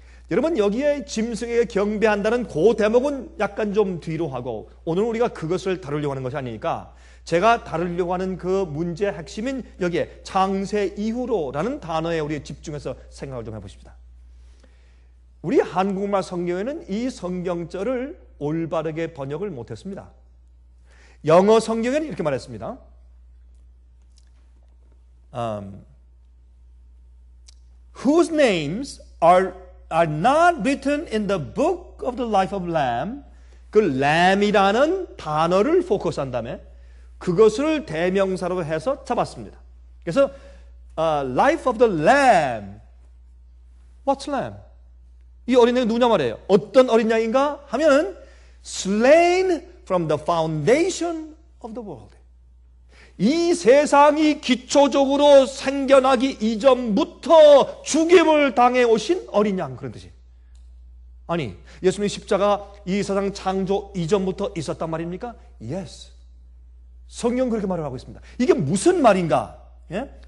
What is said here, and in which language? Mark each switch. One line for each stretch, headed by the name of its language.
Korean: 여러분 여기에 짐승에게 경배한다는 그 대목은 약간 좀 뒤로 하고 오늘 우리가 그것을 다루려고 하는 것이 아니니까 제가 다루려고 하는 그 문제 핵심인 여기에 창세 이후로라는 단어에 우리 집중해서 생각을 좀 해보십시다. 우리 한국말 성경에는 이 성경절을 올바르게 번역을 못했습니다. 영어 성경에는 이렇게 말했습니다.
English: Whose names are not written in the book of the life of Lamb.
Korean: 그 Lamb이라는 단어를 포커스한 다음에 그것을 대명사로 해서 잡았습니다. 그래서
English: life of the Lamb. What's Lamb?
Korean: 이 어린 양이 누구냐 말이에요. 어떤 어린 양인가 하면
English: slain from the foundation of the world.
Korean: 이 세상이 기초적으로 생겨나기 이전부터 죽임을 당해 오신 어린 양 그런 뜻이. 아니 예수님 십자가 이 세상 창조 이전부터 있었단 말입니까?
English: Yes.
Korean: 성경 그렇게 말을 하고 있습니다. 이게 무슨 말인가? 예?